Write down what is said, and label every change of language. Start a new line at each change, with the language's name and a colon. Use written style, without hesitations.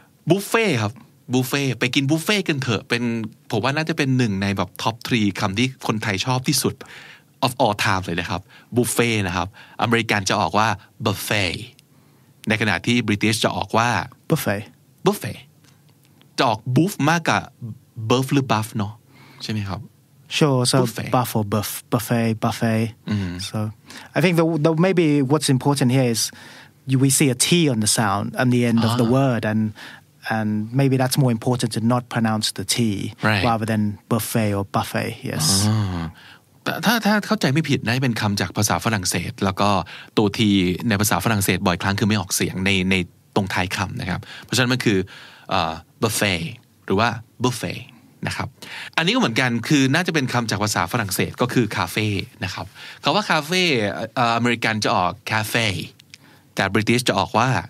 Thai: Buffet ครับ Buffet ไปกินบุฟเฟ่กันเถอะเป็นผมว่าน่าจะเป็นหนึ่งในแบบ top 3คำที่คนไทยชอบที่สุด
English: of all time
Thai: เลยนะครับ Buffet นะครับอเมริกันจะออกว่า Buffet ในขณะที่บริติชจะออกว่า
English: Buffet
Thai: จะออก Buff มากกว่า Buff หรือ Buff เนาะใช่ไหมครับ
English: Sure. So, buff or buff, buffet. Mm-hmm. So, I think the maybe what's important here is we see a T on the sound and the end of the word, and maybe that's more important to not pronounce the T right. rather than buffet or buffet. Yes.
Thai: ถ้าเข้าใจไม่ผิดนะเป็นคำจากภาษาฝรั่งเศสแล้วก็ตัวทีในภาษาฝรั่งเศสบ่อยครั้งคือไม่ออกเสียงในตรงท้ายคำนะครับเพราะฉะนั้นมันคือbuffet หรือว่า buffetนะครับอันนี้ก็เหมือนกันคือน่าจะเป็นคำจากภาษาฝรั่งเศสก็คือคาเฟ่นะครับคำว่าคาเฟ่อเมริกันจะออกคาเฟ่แต่บริติชจะออกว่า